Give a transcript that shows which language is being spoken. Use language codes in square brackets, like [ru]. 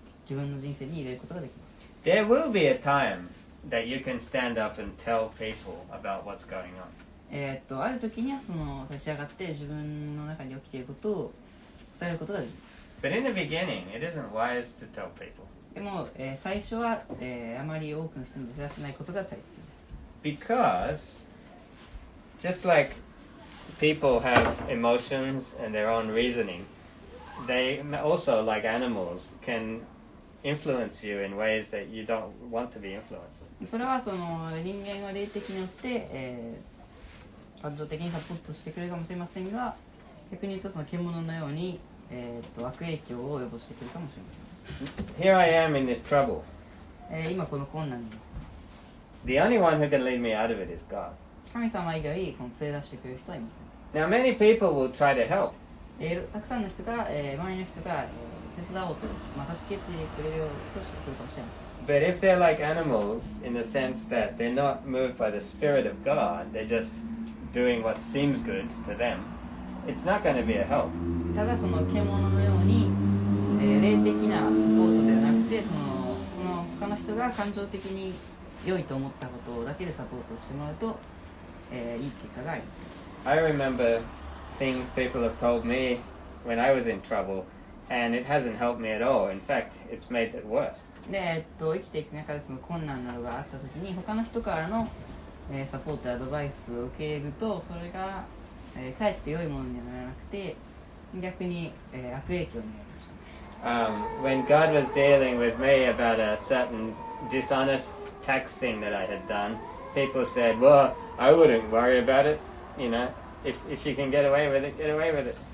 [ja] 自分の人生に入れることができます。 [en] There will be a time that you can stand up and tell people about what's going on. [ja] ある時にはその立ち上がって自分の中に起きていることを伝えることができます。 [en] But in the beginning, it isn't wise to tell people. [ja] でも、最初は、あまり多くの人に知らせないことが大切です。 [en] Because just like people have emotions and their own reasoning, they also, like animals, can influence you in ways that you don't want to be influenced. [ja] それはその人間が霊的によって、感情的にサポートしてくれるかもしれませんが、逆に言うとその獣のように、悪影響を及ぼしてくるかもしれません。 [en] Here I am in this trouble. [ja] 今この困難に。 [en] The only one who can lead me out of it is God. [ja] 神様以外、この連れ出してくれる人はいません。 [en] Now many people will try to help. [ja] たくさんの人が、周りの人が、手伝おうと、まあ、助けてくれようとしてくるかもしれません。 [en] But if they're like animals in the sense that they're not moved by the spirit of God, they're just doing what seems good to them, it's not going to be a help. [ja] ただその獣のように、霊的なサポートではなくて、その他の人が感情的に良いと思ったことだけでサポートしてもらうと、いい結果があります。 [en] I remember things people have told me when I was in trouble, and it hasn't helped me at all. In fact, it's made it worse. [ja] で生きていく中でその困難などがあったときに他の人からの、サポートアドバイスを受けるとそれが、かえって良いものにならなくて逆に、悪影響になりました。 [en] When God was dealing with me about a certain dishonest tax thing that I had done, people said, well, I wouldn't worry about it, you know, if you can get away with it, get away with it.